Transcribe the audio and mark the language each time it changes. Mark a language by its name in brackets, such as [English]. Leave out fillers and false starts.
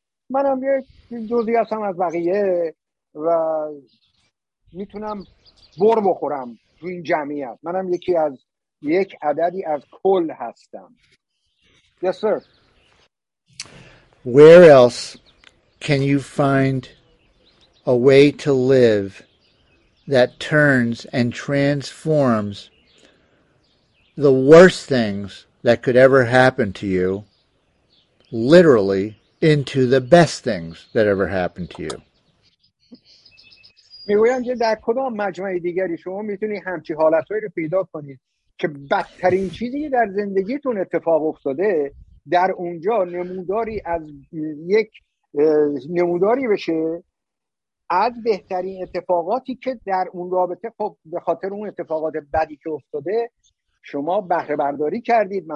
[Persian] منم یک جزئی هستم از بقیه و میتونم بر بخورم تو این جمعیت. منم یکی از یک عددی از کل هستم. [English] Yes, sir. Where else can you find a way to live that turns and transforms the worst things that could ever happen to you literally into the best things that ever happened to you? [Persian] میگویم که در کدام مجمع دیگری شما میتونی همچی حالتهایی رو پیدا کنید که بدترین چیزی در زندگیتون اتفاق افتاده در اونجا نموداری از یک نموداری بشه از بهترین اتفاقاتی که در اون رابطه، خب به خاطر اون اتفاقات بدی که افتاده شما بهره برداری کردید.